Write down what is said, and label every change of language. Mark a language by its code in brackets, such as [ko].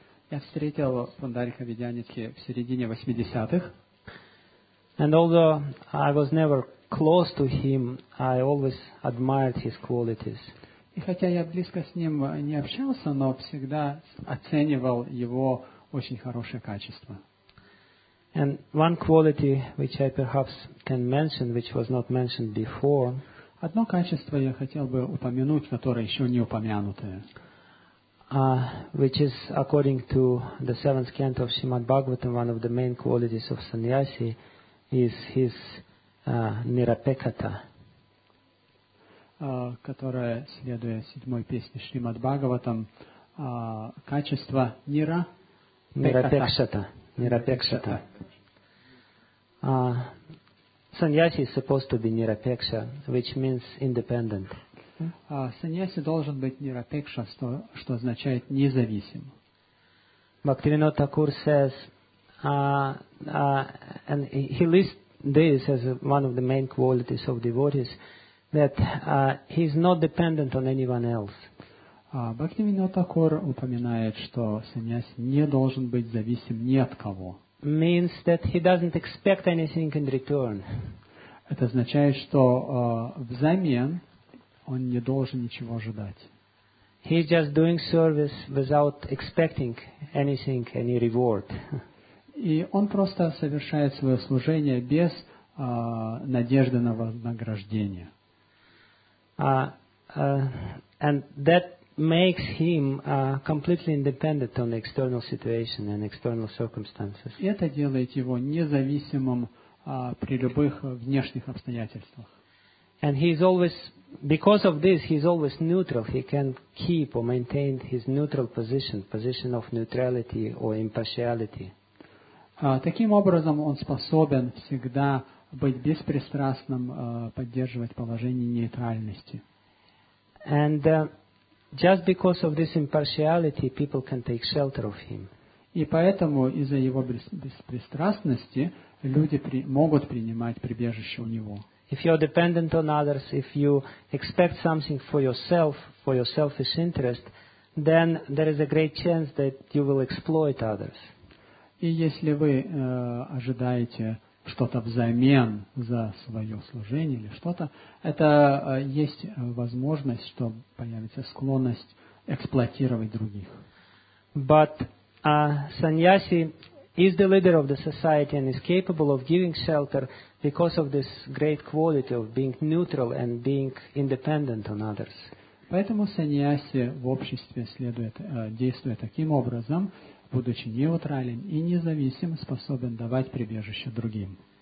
[ru] Я встретил Пундарика Видянитхи в середине 80-х. [en] And although I was never close to him, I always admired his qualities. [ru] И хотя я близко с ним не общался, но всегда оценивал его очень хорошее качество. [en] And one quality which I perhaps can mention, which was not mentioned before. [ru] Одно качество я хотел бы упомянуть, которое еще не упомянутое. [en] Which is according to the seventh canto of Srimad Bhagavatam, one of the main qualities of sannyasi is his nirapekata, [ru] которая, следуя седьмой песне Шримад Бхагаватам, качество нира нирапекшата. Нирапекшата. [en] Саньяси is supposed to be nirapeksha, which means independent. [ru] Саньяси должен быть нирапекша, что означает независим. [en] Бхактивинода Такур says, and he lists this is one of the main qualities of devotees, that he is not dependent on anyone else. [ru] Бхактивинода Такур упоминает, что саньяси не должен быть зависим ни от кого. [en] Means that he doesn't expect anything in return. [ru] Это означает, что взамен он не должен ничего ожидать. [en] He is just doing service without expecting anything, any reward. [ru] И он просто совершает свое служение без надежды на вознаграждение. [en] And that makes him completely independent on the external situation and external circumstances. [ru] Это делает его независимым при любых внешних обстоятельствах. [en] And he is always, because of this, he is always neutral. He can keep or maintain his neutral position, position of neutrality or impartiality. [ru] Таким образом, он способен всегда быть беспристрастным, поддерживать положение нейтральности. [en] And just because of this impartiality, people can take shelter of him. [ru] И поэтому из-за его беспристрастности люди могут принимать прибежище у него. [en] If you are dependent on others, if you expect something for your selfish interest, then there is a great chance that you will exploit others. [ru] И если вы ожидаете что-то взамен за свое служение или что-то, это есть возможность, что появится склонность эксплуатировать других. [en] But sannyasi is the leader of the society and is capable of giving shelter because of this great quality of being neutral and being independent on others. [ru] Поэтому sannyasi в обществе следует действовать таким образом, будучи нейтрален и независим, способен давать прибежище другим.